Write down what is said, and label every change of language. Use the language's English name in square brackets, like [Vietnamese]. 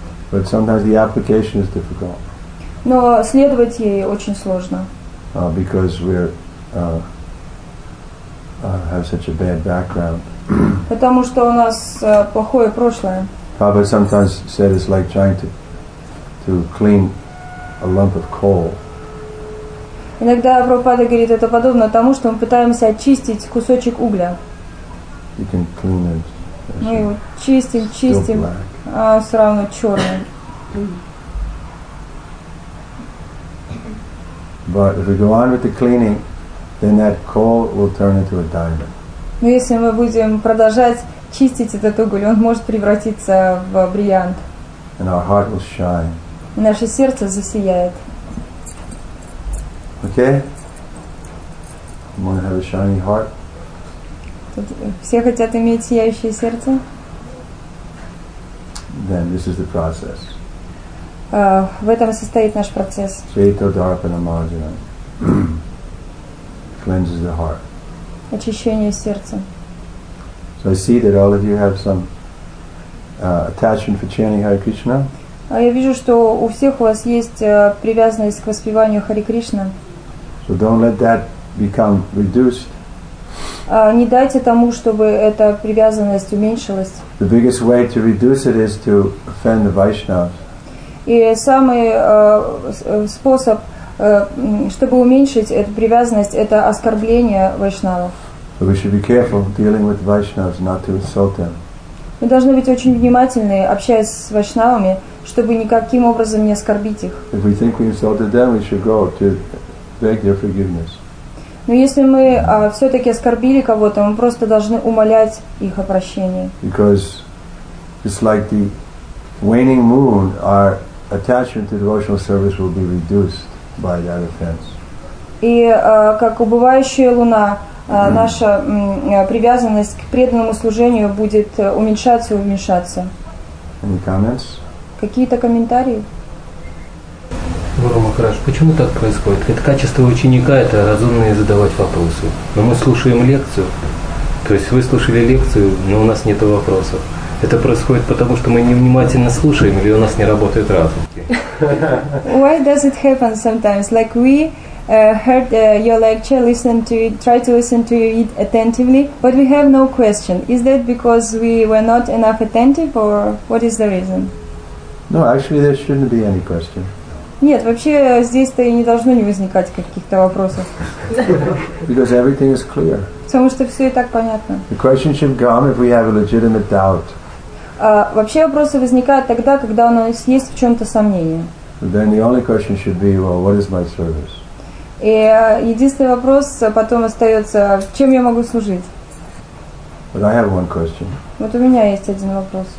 [English] But sometimes the application is difficult. [Russian] Но следовать ей очень сложно. [English] Because we have such a bad background. [Russian] Потому что у нас плохое прошлое. [English] Prabhupada sometimes said it's like trying to clean a lump of coal. [Russian] Иногда Прабхупада говорит, это подобно тому, что мы пытаемся очистить кусочек угля. [English] You can clean it. [Russian] Мы его чистим, чистим, а все равно черный. [English] But if we go on with the cleaning, then that coal will turn into a diamond. [Russian] Но если мы будем продолжать чистить этот уголь, он может превратиться в бриллиант. [English] And our heart will shine. И наше сердце засияет. Okay? You want to have a shiny heart? [Russian] Тут все хотят иметь сияющее сердце? [English] Then this is the process. [Russian] В этом состоит наш процесс. [Sanskrit] Shvetha Dharpana Marjanam [English] cleanses the heart. [Russian] Очищение сердца. [English] So I see that all of you have some attachment for chanting Hare Krishna. [Russian] Я вижу, что у всех у вас есть привязанность к воспеванию Хари Кришна. [English] So don't let that become reduced. [Russian] Не дайте тому, чтобы эта привязанность уменьшилась. [English] The biggest way to reduce it is to offend the Vaishnavas. [Russian] И самый способ, чтобы уменьшить эту привязанность, это оскорбление вайшнавов. [English] So we should be careful dealing with Vaishnavas, not to insult them. [Russian] Мы должны быть очень внимательны, общаясь с вайшнавами, чтобы никаким образом не оскорбить их. [English] If we think we insulted them, we should go to beg their forgiveness. [Russian] Но если мы все-таки оскорбили кого-то, мы просто должны умолять их о прощении. [English] Because it's like the waning moon, our attachment to devotional service will be reduced by that offense. [Russian] И как убывающая луна, наша привязанность к преданному служению будет уменьшаться и уменьшаться. [English] Any comments? [Russian] Какие-то комментарии? Гуру Махарадж, почему так происходит? Это качество ученика, это разумно и задавать вопросы. Но мы слушаем лекцию. То есть вы слушали лекцию, но у нас нет вопросов. Это происходит потому, что мы невнимательно слушаем или у нас не работает разум? [English] Why does it happen sometimes? Like we heard your lecture, try to listen to it attentively, but we have no question. Is that because we were not enough attentive, or what is the reason? No, actually there shouldn't be any question. [Russian] Нет, вообще здесь-то и не должно не возникать каких-то вопросов. [English] Because everything is clear. [Russian] Потому что все и так понятно. [English] The question should come if we have a legitimate doubt. [Russian] Вообще вопросы возникают тогда, когда у нас есть в чем-то сомнение. [English] Then the only question should be, well, what is my service? [Russian] И единственный вопрос потом остается, чем я могу служить? [English] But I have one question. [Russian] Вот у меня есть один вопрос.